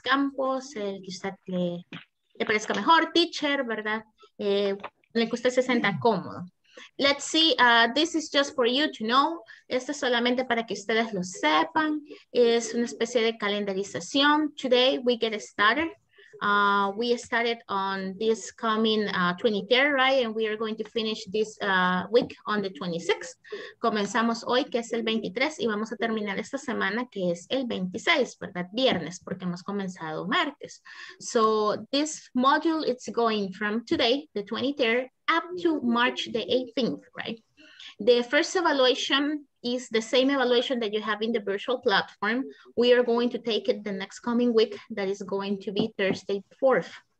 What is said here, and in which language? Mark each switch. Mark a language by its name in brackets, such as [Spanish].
[Spanish] Campos, el que usted le parezca mejor, teacher, ¿verdad? En el que usted se sienta cómodo. [English] Let's see, this is just for you to know. [Spanish] Esto es solamente para que ustedes lo sepan. Es una especie de calendarización. [English] Today we get started. We started on this coming 23rd, right? And we are going to finish this week on the 26th. [Spanish] Comenzamos hoy, que es el 23, y vamos a terminar esta semana, que es el 26, ¿verdad? Viernes, porque hemos comenzado martes. [English] So this module is going from today, the 23rd, up to March the 18th, right? The first evaluation is the same evaluation that you have in the virtual platform. We are going to take it the next coming week. That is going to be Thursday 4th.